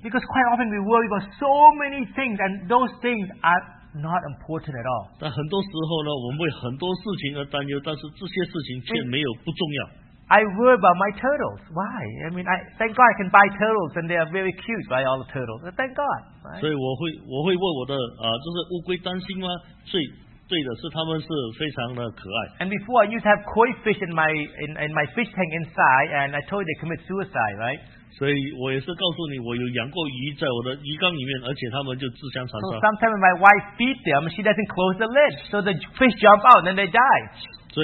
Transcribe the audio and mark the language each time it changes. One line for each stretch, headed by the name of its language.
English: Because quite often we worry about so many things, and those things are not important at all.
Chinese: 但很多时候呢，我们为很多事情而担忧，但是这些事情却没有不重要。
English: I worry about my turtles. Why? I mean, thank God I can buy turtles and they are very cute, right? All the turtles. Thank God. Right?
Chinese: 所以我会问我的，就是乌龟担心吗？最对的是他们是非常的可爱。
English: And before I used to have koi fish in my fish tank inside, and I told you they commit suicide, right?
Chinese: 所以我也是告诉你，我有养过鱼在我的鱼缸里面，而且他们就自相残杀。
English: So sometimes my wife feeds them, she doesn't close the lid, so the fish jump out and they die.